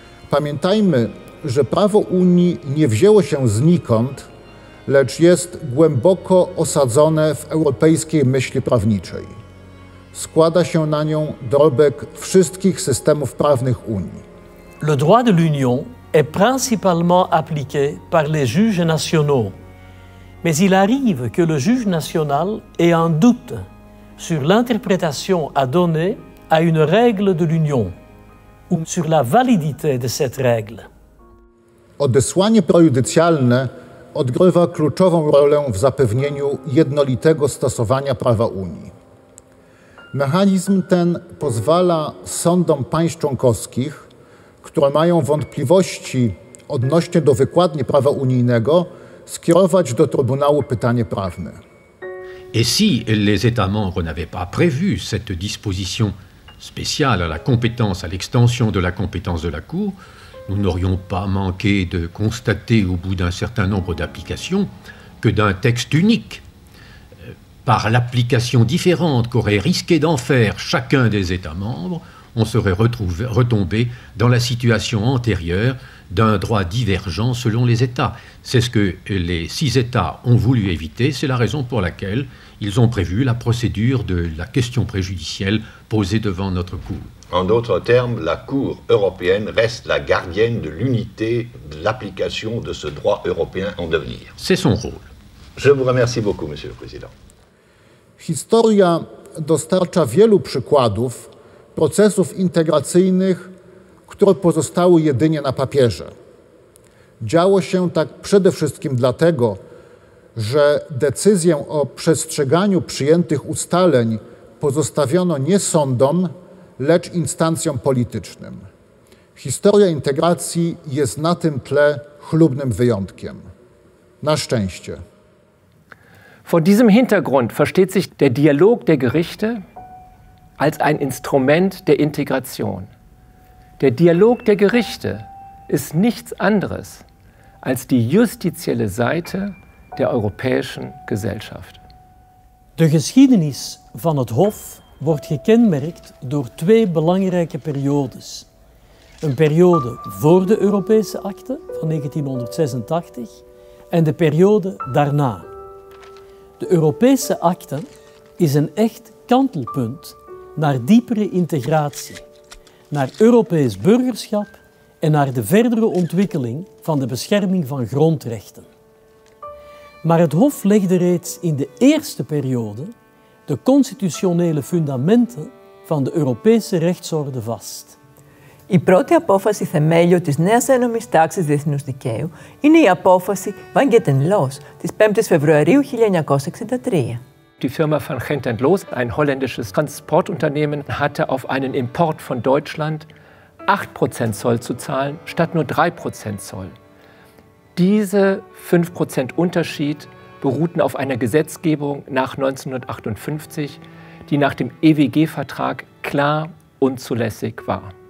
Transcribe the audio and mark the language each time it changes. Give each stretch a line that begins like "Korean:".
Polish: Pamiętajmy, że prawo Unii nie wzięło się znikąd, lecz jest głęboko osadzone w europejskiej myśli prawniczej. Składa się na nią dorobek wszystkich systemów prawnych Unii.
French: Le droit de l'Union est principalement appliqué par les juges nationaux. Mais il arrive que le juge national ait un doute sur l'interprétation à donner à une règle de l'Union. sur la validité de cette règle.
Polish: Odesłanie prejudycjalne odgrywa kluczową rolę w zapewnieniu jednolitego stosowania prawa Unii. Mechanizm ten pozwala sądom państw członkowskich, które mają wątpliwości odnośnie do wykładni prawa unijnego, skierować do Trybunału pytanie prawne.
French: Et si les États membres n'avaient pas prévu cette disposition spéciale à la compétence, à l'extension de la compétence de la Cour, nous n'aurions pas manqué de constater au bout d'un certain nombre d'applications que d'un texte unique, par l'application différente qu'aurait risqué d'en faire chacun des États membres, on serait retombé dans la situation antérieure d'un droit divergent selon les États. C'est ce que les six États ont voulu éviter, c'est la raison pour laquelle ils ont prévu la procédure de la question préjudicielle posée devant notre Cour. En d'autres termes, la Cour européenne reste la gardienne de l'unité de l'application de ce droit européen en devenir. C'est son rôle. Je vous remercie beaucoup, Monsieur le Président.
Polish: Historia dostarcza wielu przykładów procesów integracyjnych, które pozostały jedynie na papierze. Działo się tak przede wszystkim dlatego, że decyzję o przestrzeganiu przyjętych ustaleń pozostawiono nie sądom, lecz instancjom politycznym. Historia integracji jest na tym tle chlubnym wyjątkiem. Na szczęście.
German: Vor diesem Hintergrund versteht sich der Dialog der Gerichte als ein Instrument der Integration. Der Dialog der Gerichte ist nichts anderes als die justizielle Seite der europäischen Gesellschaft.
Dutch: De geschiedenis van het Hof wordt gekenmerkt door twee belangrijke periodes. Een periode voor de Europese Akte van 1986 en de periode daarna. De Europese Akte is een echt kantelpunt naar diepere integratie, naar Europees burgerschap en naar de verdere ontwikkeling van de bescherming van grondrechten. Maar het Hof legde reeds in de eerste periode de constitutionele fundamenten van de Europese rechtsorde vast.
Greek: Η πρώτη απόφαση θεμέλιο της νέας ένομης τάξης διεθνούς δικαίου είναι η απόφαση Van Genten Loos της 5ης Φεβρουαρίου 1963.
German: Die Firma Van Genten Loos, ein holländisches Transportunternehmen, hatte auf einen Import von Deutschland 8% Zoll zu zahlen, statt nur 3% Zoll. Diese 5% Unterschied beruhten auf einer Gesetzgebung nach 1958, die nach dem EWG-Vertrag klar unzulässig war.